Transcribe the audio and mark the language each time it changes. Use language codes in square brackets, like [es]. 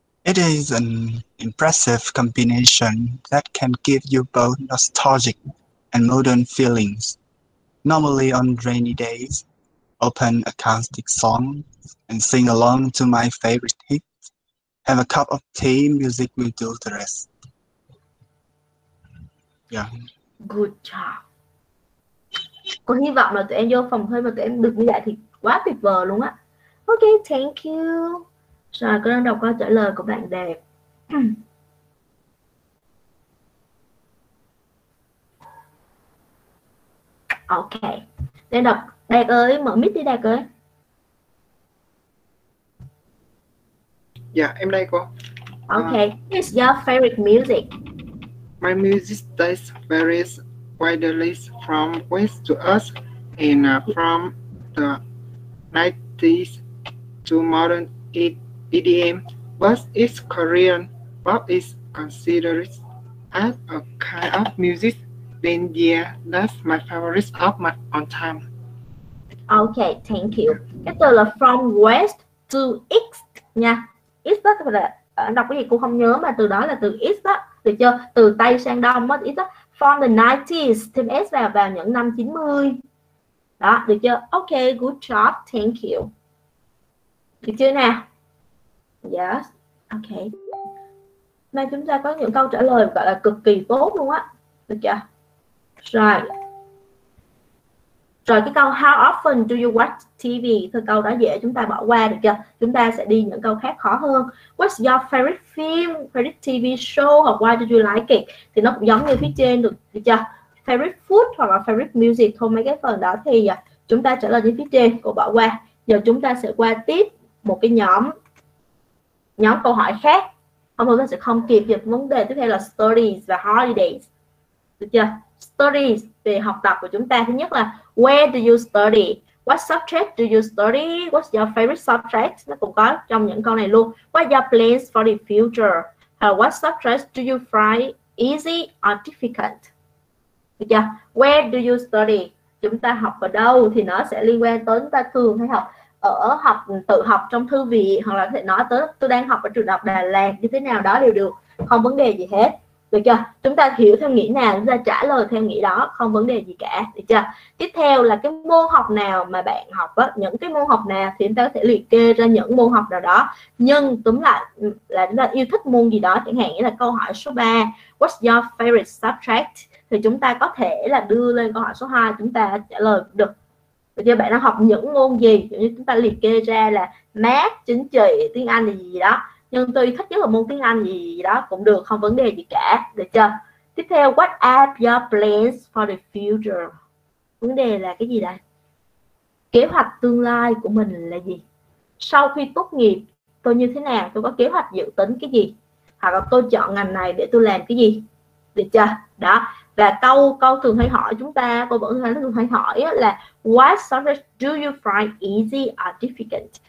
[en] It is an impressive combination that can give you both nostalgic and modern feelings. Normally on rainy days, open acoustic songs and sing along to my favorite hits. Have a cup of tea, music will do the rest. Yeah. Good job. [vi] Còn hy vọng là tụi em vô phòng hơi mà tụi em được như vậy thì quá tuyệt vời luôn á. [en] Ok, thank you. [vi] Rồi, cô đang đọc câu trả lời của bạn đẹp. Ok. Đang đọc. Đạt ơi, mở mic đi Đạt ơi. Dạ, em đây cô. [en] Ok, what's your favorite music? My music taste varies widely from west to east and from the 90s to modern EDM, but it's Korean, but it's considered as a kind of music, then yeah, that's my favorite of my own time. Okay, thank you. [vi] Cái từ là [en] from west to east [vi] nha. East đó là đọc cái gì cô không nhớ mà từ đó là từ east đó, được chưa? Từ tây sang đông mất east đó. [en] From the 90s [vi] thêm s vào những năm 90. Đó, được chưa? [en] Okay, good job. Thank you. [vi] Được chưa nè? [en] Yes. Okay. [vi] Nay chúng ta có những câu trả lời gọi là cực kỳ tốt luôn á. Được chưa? [en] Right. [vi] Rồi cái câu [en] how often do you watch TV? [vi] Thôi câu đó dễ chúng ta bỏ qua được chưa? Chúng ta sẽ đi những câu khác khó hơn. [en] What's your favorite film, favorite TV show [vi] hoặc [en] why do you like it? [vi] Thì nó cũng giống như phía trên được chưa? [en] Favorite food [vi] hoặc là [en] favorite music, [vi] thôi mấy cái phần đó thì chúng ta trả lời như phía trên, cô bỏ qua. Giờ chúng ta sẽ qua tiếp một cái nhóm câu hỏi khác. Không thôi ta sẽ không kịp được vấn đề tiếp theo là stories và holidays. Được chưa? Stories về học tập của chúng ta. Thứ nhất là [en] where do you study? What subject do you study? What's your favorite subject? [vi] Nó cũng có trong những câu này luôn. [en] What are your plans for the future? What subject do you find easy or difficult? Được chưa? Where do you study? [vi] Chúng ta học ở đâu thì nó sẽ liên quan tới chúng ta thường hay học ở học tự học trong thư viện, hoặc là có thể nói tới tôi đang học ở trường đại học Đà Lạt như thế nào đó đều được, không vấn đề gì hết. Được chưa? Chúng ta hiểu theo nghĩa nào, chúng ta trả lời theo nghĩa đó, không vấn đề gì cả. Được chưa? Tiếp theo là cái môn học nào mà bạn học á, những cái môn học nào thì chúng ta có thể liệt kê ra những môn học nào đó. Nhưng tóm lại là chúng ta yêu thích môn gì đó, chẳng hạn như là câu hỏi số 3, [en] what's your favorite subject? [vi] Thì chúng ta có thể là đưa lên câu hỏi số 2, chúng ta trả lời được. Được chưa? Bạn đang học những môn gì, như chúng ta liệt kê ra là math, chính trị, tiếng Anh gì đó. Nhưng tôi thích nhất là môn tiếng Anh gì đó cũng được, không vấn đề gì cả, được chưa? Tiếp theo, [en] what are your plans for the future? [vi] Vấn đề là cái gì đây? Kế hoạch tương lai của mình là gì? Sau khi tốt nghiệp, tôi như thế nào? Tôi có kế hoạch dự tính cái gì? Hoặc là tôi chọn ngành này để tôi làm cái gì? Được chưa? Đó. Và câu thường hay hỏi chúng ta, cô vẫn thường hay hỏi là [en] what subject do you find easy or difficult?